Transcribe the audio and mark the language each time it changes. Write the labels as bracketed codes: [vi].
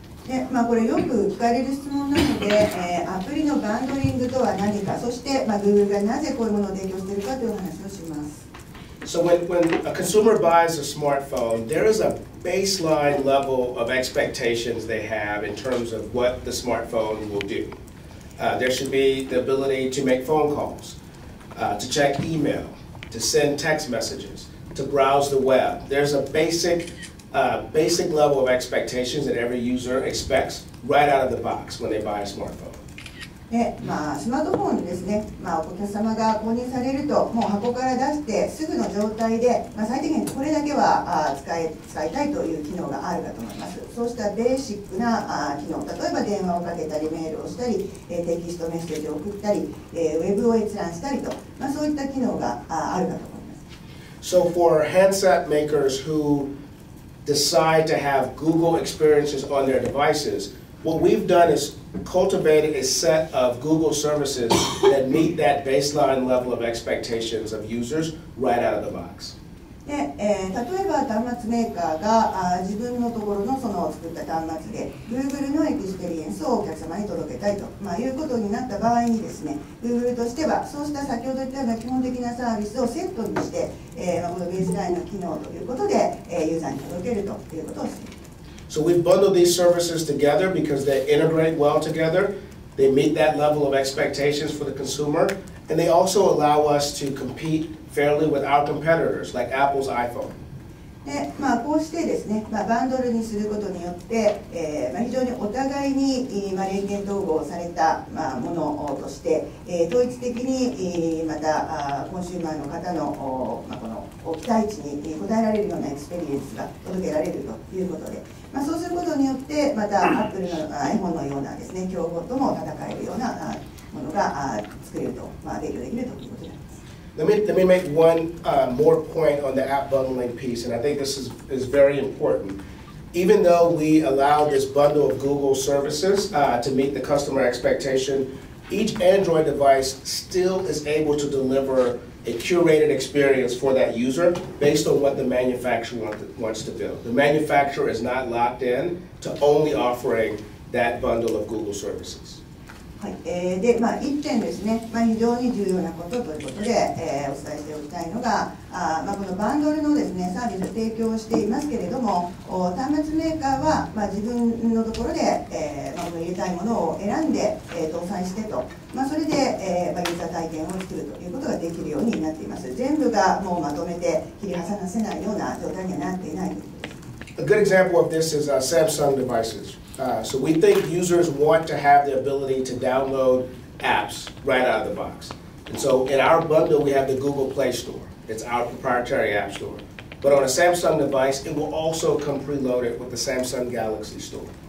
[ja] Yeah, まあこれよく聞かれる質問なので、アプリのバンドリングとは何か、そしてまあ Google がなぜこういうものを提供しているかという話をします。 [en] So when a consumer buys a smartphone, there is a baseline level of expectations they have in terms of what the smartphone will do. There should be the ability to make phone calls, to check email, to send text messages, to browse the web. There's a basic level of expectations that every user expects right out of the box when they buy a smartphone. [ja] で、まあ、スマートフォンですね、まあ、お客様が購入されると、もう箱から出してすぐの状態で、まあ、最低限これだけは使いたいという機能があるかと思います。そうしたベーシックな機能、例えば電話をかけたり、メールをしたり、テキストメッセージを送ったり、ウェブを閲覧したりと、まあ、そういった機能があるかと思います。 [en] So for handset makers who decide to have Google experiences on their devices, what we've done is cultivated a set of Google services that meet that baseline level of expectations of users right out of the box. [ja] で、例えば端末メーカーが自分のところのその作った端末で Google のエクスペリエンスをお客様に届けたいと、まあ、いうことになった場合にですね、 Google としてはそうした先ほど言ったような基本的なサービスをセットにして、このベースラインの機能ということで、ユーザーに届けるということをしています。 [en] So we've bundled these services together because they integrate well together. They meet that level of expectations for the consumer and they also allow us to competefairly with our competitors, like Apple's iPhone. [ja] で、まあ、こうしてですね、まあ、バンドルにすることによって、まあ、非常にお互いに、まあ、連携統合された、まあ、ものとして、統一的に、またコンシューマーの方の、まあ、この期待値に応えられるようなエクスペリエンスが届けられるということで、まあ、そうすることによって、また Apple の iPhone のようなですね、競合とも戦えるようなものが作れると、まあ、提供できるということで、 [en] Let me make one more point on the app bundling piece, and I think this is very important. Even though we allow this bundle of Google services to meet the customer expectation, each Android device still is able to deliver a curated experience for that user based on what the manufacturer wants to build. The manufacturer is not locked in to only offering that bundle of Google services. [ja] はい、で、まあ、1点ですね、まあ、非常に重要なことということで、お伝えしておきたいのが、まあ、このバンドルのですね、サービスを提供していますけれども、端末メーカーは、まあ、自分のところで、まあ、入れたいものを選んで、搭載してと、まあ、それで、まあ、ユーザー体験を作るということができるようになっています。全部がもうまとめて切り離せないような状態にはなっていないということです。 [en] A good example of this is Samsung devices. So we think users want to have the ability to download apps right out of the box. And so in our bundle, we have the Google Play Store. It's our proprietary app store. But on a Samsung device, it will also come preloaded with the Samsung Galaxy Store.